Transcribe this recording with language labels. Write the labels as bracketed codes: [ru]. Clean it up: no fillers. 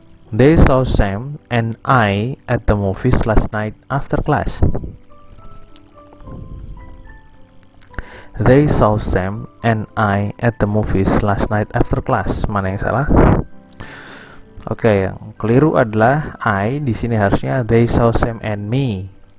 [en] They saw Sam and I at the movies last night after class. They saw Sam and I at the movies last night after class. [id] Mana yang salah? Oke, okay, yang keliru adalah I. Di sini harusnya [en] they saw Sam and me.